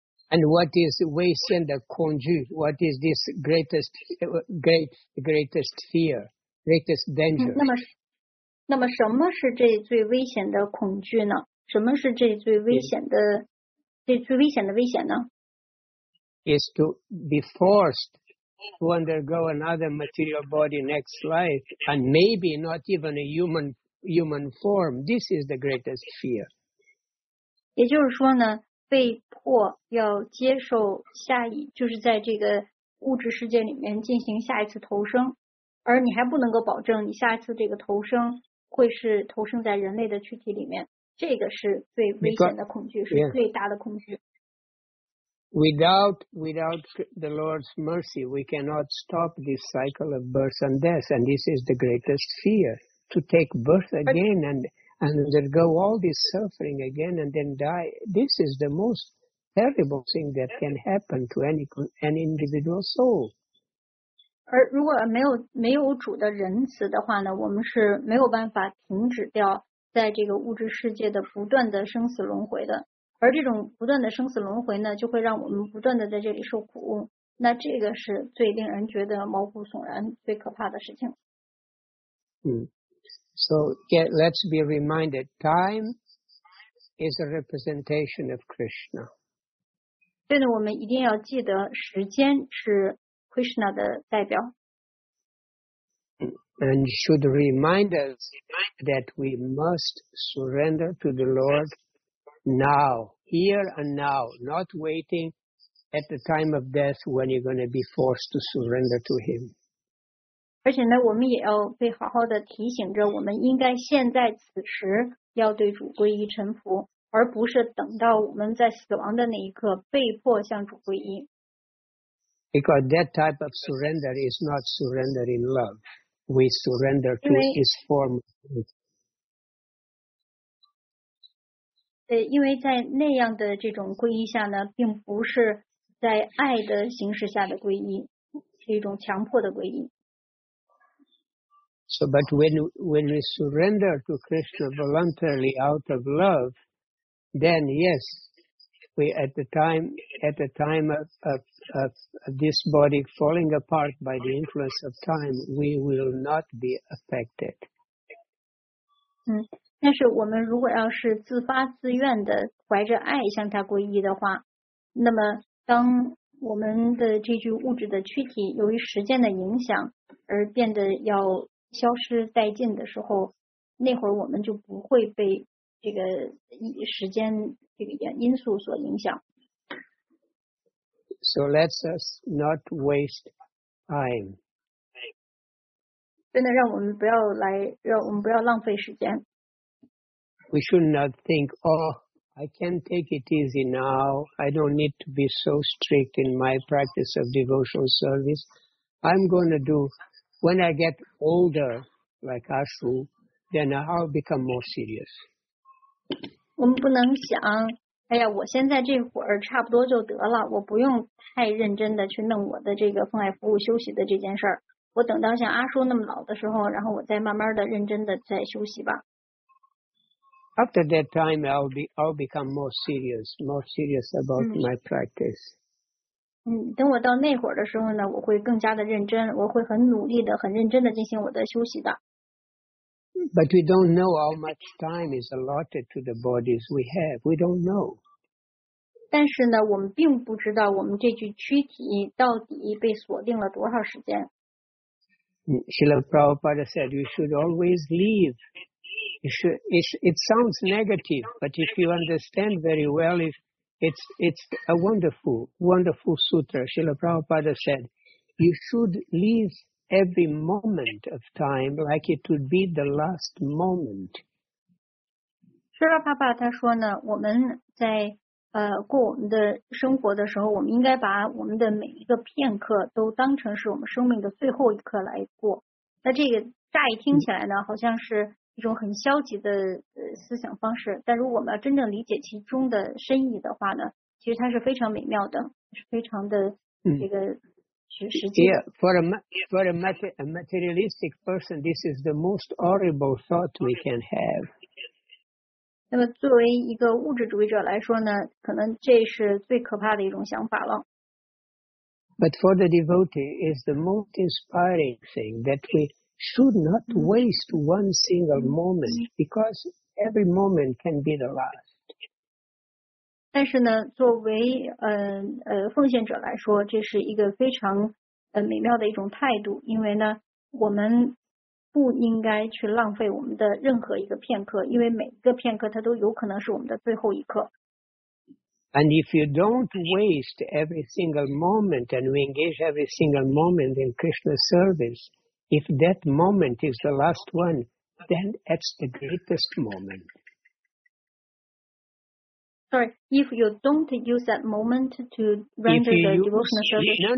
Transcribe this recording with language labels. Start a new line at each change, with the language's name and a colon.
English: And what is
Chinese: 危险的恐惧？
English: What is this greatest fear, greatest danger?、
Chinese: 那么什么是这最危险的恐惧呢？什么是这最危险的、这最危险的危险呢？
English: Is to be forced. To undergo another material body next life, and maybe not even a human form. This is the greatest fear.
Chinese: 也就是说呢，被迫要接受下一，就是在这个物质世界里面进行下一次投生，而你还不能够保证你下一次这个投生会是投生在人类的躯体里面。这个是最危险的恐惧，是最大的恐惧。
English: Without the Lord's mercy, we cannot stop this cycle of birth and death, and this is the greatest fear, to take birth again and undergo all this suffering again and then die. This is the most terrible thing that can happen to any individual soul.
Chinese: 而如果没有主的仁慈的话呢，我们是没有办法停止掉在这个物质世界的不断的生死轮回的。而这种不断的生死轮回呢，就会让我们不断的在这里受苦，那这个是最令人觉得毛骨悚然、最可怕的事情。
English: So yeah, let's be reminded, time is a representation of Krishna.
Chinese: 对呢，我们一定要记得，时间是 Krishna 的代表。
English: And should remind us that we must surrender to the Lord. Now, here and now, not waiting at the time of death when you're going to be forced to surrender to him.
Chinese: 而且呢，我们也要被好好的提醒着，我们应该现在此时要对主皈依臣服，而不是等到我们在死亡的那一刻被迫向主皈依。
English: Because that type of surrender is not surrender in love. We surrender to his form of love.
Chinese: 因为在那样的这种皈依下呢，并不是在爱的形式下的皈依，是一种强迫的皈依。
English: So, but when we surrender to Krishna voluntarily out of love, then yes, we at the time of this body falling apart by the influence of time, we will not be affected.
Chinese: 但是我们如果要是自发自愿的怀着爱向他皈依的话，那么当我们的这具物质的躯体由于时间的影响而变得要消失殆尽的时候，那会儿我们就不会被这个时间这个因素所影响。
English: So let's us not waste time.
Chinese: 真的让我们不要浪费时间。
English: We should not think, oh, I can take it easy now. I don't need to be so strict in my practice of devotional service. I'm going to do, when I get older, like Ashu, then I'll become more serious.
Chinese: 我们不能想，哎呀，我现在这会儿差不多就得了，我不用太认真的去弄我的这个奉爱服务休息的这件事儿。我等到像阿叔那么老的时候，然后我再慢慢的认真的再休息吧。
English: After that time, I'll become more serious about my practice.
Chinese: 等我到那会儿的时候呢，我会更加的认真，我会很努力的、很认真的进行我的休息的。
English: But we don't know how much time is allotted to the bodies we have. We don't know.
Chinese: 但是呢，我们并不知道我们这具躯体到底被锁定了多少时间。
English: Srila Prabhupada said, you should always leave. It sounds negative, but if you understand very well, it's a wonderful, wonderful sutra. Srila Prabhupada said, you should leave every moment of time like it would be the last moment.
Chinese: Srila Prabhupada 说呢，我们在过我们的生活的时候，我们应该把我们的每一个片刻都当成是我们生命的最后一刻来过。那这个乍一听起来呢，好像是一种很消极的思想方式，但如果我们要真正理解其中的深意的话呢，其实它是非常美妙的，是非常的这个实际的。
English: For a materialistic person, this is the most horrible thought we can have.
Chinese: 那么作为一个物质主义者来说呢，可能这是最可怕的一种想法了。
English: But for the devotee, it's the most inspiring thing that we should not waste one single moment, because every moment can be the last.
Chinese: 但是呢，作为奉献者来说，这是一个非常美妙的一种态度，因为呢，我们不应该去浪费我们的任何一个片刻，因为每一个片刻它都有可能是我们的最后一刻。
English: And if you don't waste every single moment and we engage every single moment in Krishna service, if that moment is the last one, then that's the greatest moment. Sorry, if you don't use that moment to render the devotional service.